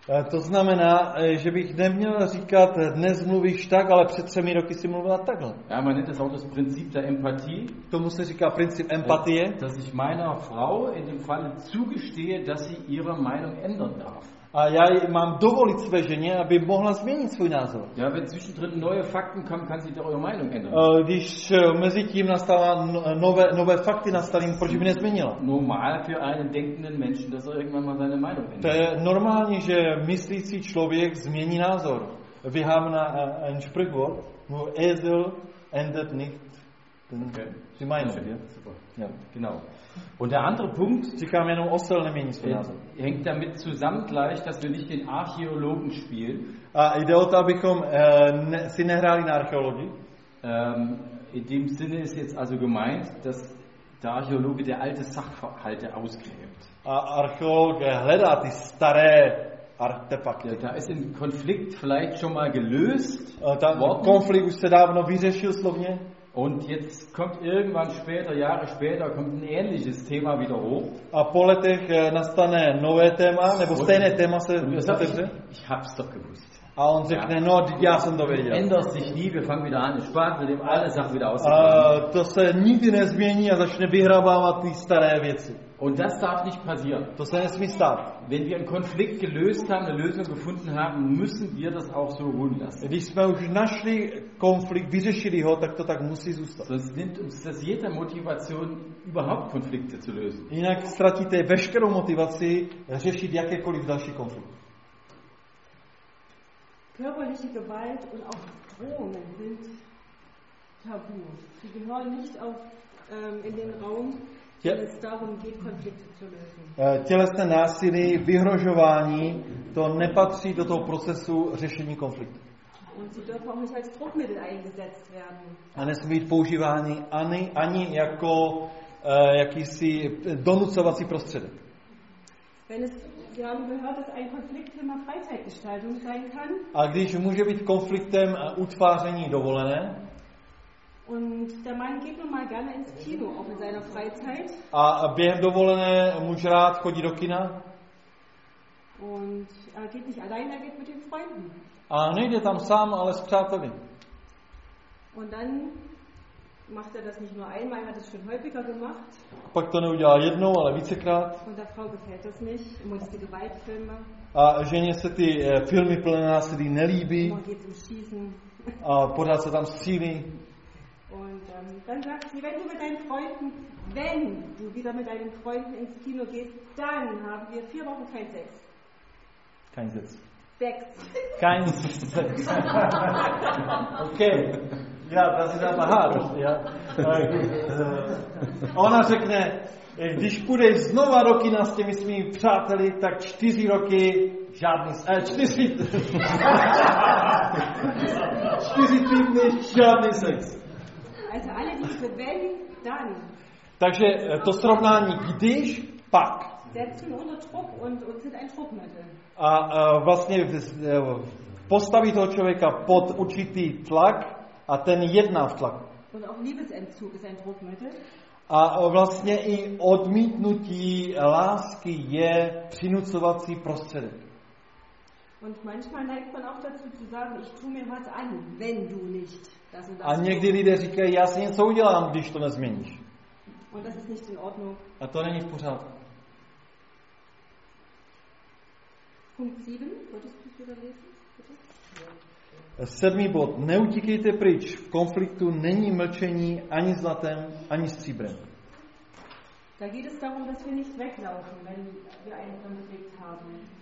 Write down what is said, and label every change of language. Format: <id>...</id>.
<cs>To znamená, že bych neměl říkat, dnes mluvíš tak, ale před 3 roky jsi mluvila takhle.</cs> <de>Ja, man nennt das auch das Prinzip der Empathie.</de> <cs>Tomu se říká princip empatie.</cs> <de>Dass ich meiner Frau in dem Falle zugestehe, dass sie ihre Meinung ändern darf.</de> <cs>A já mám dovolit své ženě, aby mohla změnit svůj názor.</cs> <de>Ja, wenn zwischendrin neue Fakten kommen, kann sie doch ihre Meinung ändern.</de> <cs>Když mezi tím nastala nové fakty nastaly, proč by nezměnila?</cs> <de>Normal für einen denkenden Menschen, dass er irgendwann mal seine Meinung ändert.</de> <cs>To je normální, že myslící člověk změní názor.</cs> <de>Wir haben ein Sprichwort, nur Esel ändert nicht den, okay. Die Meinung. Okay. Super. Ja, genau. Und der andere Punkt, hängt damit zusammen gleich, dass wir nicht den Archäologen spielen.</de> <cs>A jde o to, abychom si nehráli na archeologii.</cs> <de>In dem Sinne ist jetzt also gemeint, dass der Archäologe der alte Sachverhalte ausgräbt.</de> <cs>A archeologe hledá ty staré artefakty.</cs> <de>Da ist ein Konflikt vielleicht schon mal gelöst.</de> <cs>Konflikt už se dávno vyřešil slovně.</cs> <de>Und jetzt kommt irgendwann später, Jahre später, kommt ein ähnliches Thema wieder hoch.</de> <cs>A po letech nastane nové téma, nebo stejné téma se otevře.</cs> <de>Ich hab's doch gewusst.</de> <cs>A on řekne, ja. No, já jsem to věděl.</cs> <de>Änderst dich nie, wir fangen wieder an, spart mit dem alle Sachen wieder aus.</de> <cs>To se nikdy nezmění a začne vyhrabávat ty staré věci.</cs> <de>Und das darf nicht passieren.</de> <cs>To se nesmí stát.</cs> <de>Wenn wir einen Konflikt gelöst haben, eine Lösung gefunden haben, müssen wir das auch so ruhen lassen.</de> <cs>Když jsme už našli konflikt, vyřešili ho, tak to tak musí zůstat.</cs> <de>Sonst nimmt uns das jede Motivation, überhaupt Konflikte zu lösen.</de> <cs>Jinak ztratíte veškerou motivaci řešit jakékoliv další konflikt.</cs> <de>Körperliche Gewalt und auch Drohungen sind tabu. Sie gehören nicht auf, in den Raum, wenn es darum geht, Konflikte zu lösen.</de> <cs>Tělesné násilí, vyhrožování, to nepatří do toho procesu řešení konfliktu.</cs> <de>Und sie dürfen auch nicht als Druckmittel eingesetzt werden.</de> <cs>A nesmí být používány ani jako jakýsi donucovací prostředek.</cs> <de>Wir haben gehört, dass ein Konfliktthema Freizeitgestaltung sein kann.</de> <cs>A když může být konfliktem utváření dovolené.</cs> <de>Und der Mann geht nun mal gerne ins Kino, auch in seiner Freizeit.</de> <cs>A během dovolené muž rád chodí do kina.</cs> <de>Und er geht nicht allein, er geht mit den Freunden.</de> <cs>A nejde tam sám, ale s přáteli.</cs> <de>Und dann macht er das nicht nur einmal, hat es schon häufiger gemacht.</de> <cs>Pak to neudělá jednou, ale vícekrát.</cs> <de>Und der Frau gefällt das nicht, muss die Gewaltfilme.</de> <cs>A ženě se ty filmy plné násilí nelíbí.</cs> <de>Und geht zum Schießen.</de> <cs>A pořád se tam střílí.</cs> <de>Und dann sagt sie, wenn du mit deinen Freunden, wenn du wieder mit deinen Freunden ins Kino gehst, dann haben wir 4 Wochen kein Sex. Kein Sex. Sex. Kein Sex. Okay. Ja, das ist aber hart. Ja.</de> <cs>Ona řekne, když půjdeš znova do kina s těmi svými přáteli, tak 4 roky žádný sex. 4 týdny žádný sex.</cs> <de>Also alle diese wenn, dann.</de> <cs>Takže to srovnání když, pak.</cs> <de>Setzen unter Druck und sind ein Druckmittel.</de> <cs>A vlastně postaví toho člověka pod určitý tlak, a ten jedná v tlaku.</cs> <de>Und auch Liebesentzug ist ein Druckmittel.</de> <cs>A vlastně i odmítnutí lásky je přinucovací prostředek.</cs> <de>Und manchmal neigt man auch dazu zu sagen, ich tu mir was an, wenn du nicht das und das.</de> <cs>A někdy lidé říkají, já si něco udělám, když to nezměníš.</cs> <de>Und das ist nicht in Ordnung.</de> <cs>A to není v pořádku.</cs> <de>Punkt 7, wolltest du es wieder lesen? Bitte?</de> <cs>7. bod. Neutíkejte pryč. V konfliktu není mlčení ani zlatem, ani stříbrem.</cs> <de>Da geht es darum, dass wir nicht weglaufen, wenn wir einen Konflikt haben.</de>